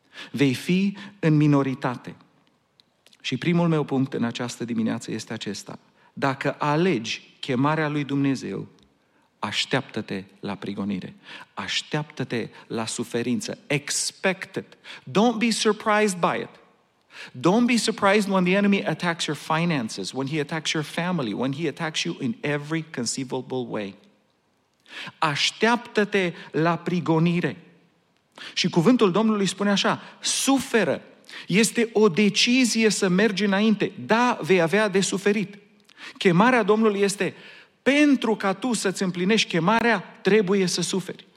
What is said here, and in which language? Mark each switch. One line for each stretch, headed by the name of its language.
Romanian: Vei fi în minoritate. Și primul meu punct în această dimineață este acesta. Dacă alegi chemarea lui Dumnezeu, așteaptă-te la prigonire, așteaptă-te la suferință,
English: expect it, don't be surprised by it, Don't be surprised when the enemy attacks your finances, when he attacks your family, when he attacks you in every conceivable way.
Romanian: Așteaptă-te la prigonire. Și cuvântul Domnului spune așa, suferă. Este o decizie să mergi înainte. Da, vei avea de suferit. Chemarea Domnului este, pentru ca tu să-ți împlinești chemarea, trebuie să suferi.